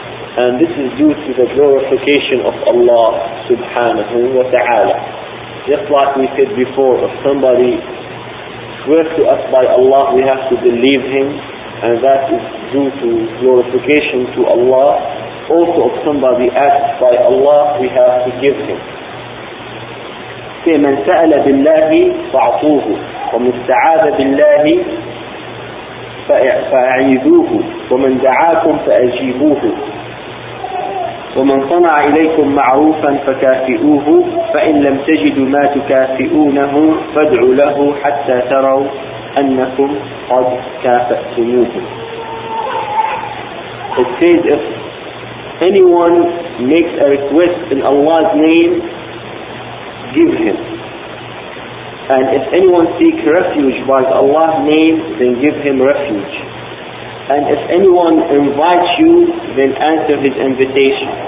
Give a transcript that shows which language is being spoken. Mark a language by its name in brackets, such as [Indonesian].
[English] And this is due to the glorification of Allah subhanahu wa ta'ala. Just like we said before, if somebody swears to us by Allah, we have to believe him, and that is due to glorification to Allah. Also, if somebody asks by Allah, we have to give him. Say, [Arabic] من سأل بالله فعطوه ومن استعاذ بالله فأعيذوه ومن دعاكم فأجيبوه ومن صنع إليكم معروفا فكافئوه فإن لم تجدوا ما تكافئونه فادعوا له حتى تروا أنكم قد كافأتموه. [English] It says, if anyone makes a request in Allah's name, give him. And if anyone seeks refuge by Allah's name, then give him refuge. And if anyone invites you, then answer his invitation.